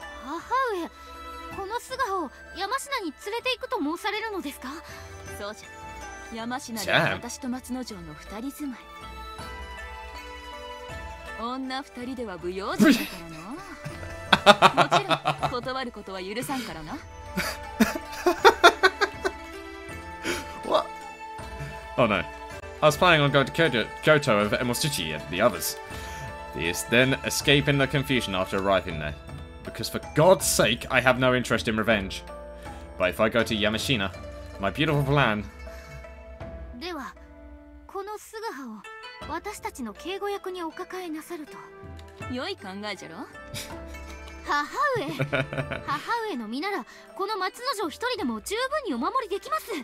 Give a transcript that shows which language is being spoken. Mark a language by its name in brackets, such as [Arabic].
[Japanese] 母上、この素顔を山下に連れて行くと申されるのですか？そうじゃ。山下で私と松之丞の二人住まい。女二人では不用心だからな。もちろん断ることは許さんからな。 [English] What? Oh no. I was planning on going to Kyoto with Emoshichi and the others. This then escaping the confusion after arriving there. Because for God's sake, I have no interest in revenge. But if I go to Yamashina, my beautiful plan. [Japanese] では、この素顔を私たちの警護役にお抱えなさると良い考えじゃろ。母上の身ならこの松之丞一人でも十分にお守りできます。